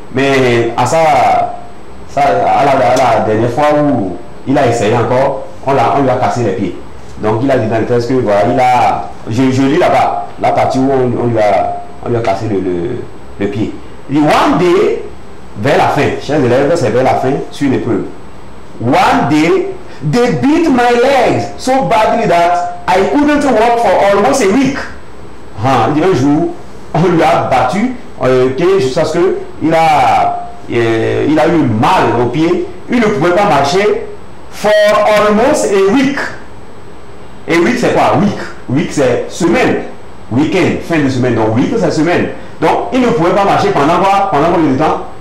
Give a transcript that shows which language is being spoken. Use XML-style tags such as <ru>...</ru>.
<fr>Mais à la dernière fois où il a essayé encore, on lui a cassé les pieds. Donc il a dit dans le test que voilà, je lis là-bas, la partie où on lui a cassé le pied. Il dit</fr> <en>one day,</en> <fr>vers la fin, chers élèves, c'est vers la fin, sur l'épreuve.</fr> <en>One day, they beat my legs so badly that I couldn't walk for almost a week.</en> <fr>Hein, il dit un jour, on lui a battu, jusqu'à ce qu'il a eu mal au pied, il ne pouvait pas marcher</fr> <en>for almost a week.</en> <fr>Et week c'est quoi? Week c'est semaine. week-end, fin de semaine, donc 8 cette semaine. Donc, il ne pouvait pas marcher pendant quoi? Pendant combien de temps?</fr>